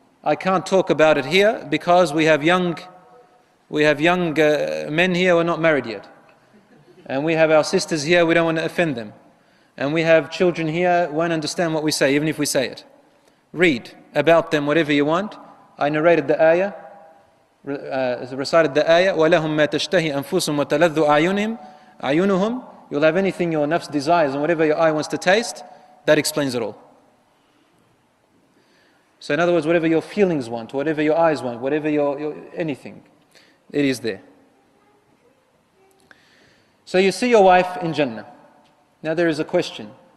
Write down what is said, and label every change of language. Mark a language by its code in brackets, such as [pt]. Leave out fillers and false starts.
[en] I can't talk about it here because we have young men here, we're not married yet. And we have our sisters here, we don't want to offend them. And we have children here, won't understand what we say, even if we say it. Read about them whatever you want. I narrated the ayah. Recited the ayah, [ar] وَلَهُمْ مَا تَشْتَهِي أَنفُسُمْ وَتَلَذُّ أَعْيُنُهُمْ. [en] You'll have anything your nafs desires and whatever your eye wants to taste, that explains it all. So in other words, whatever your feelings want, whatever your eyes want, whatever your anything, it is there. So you see your wife in Jannah. Now there is a question.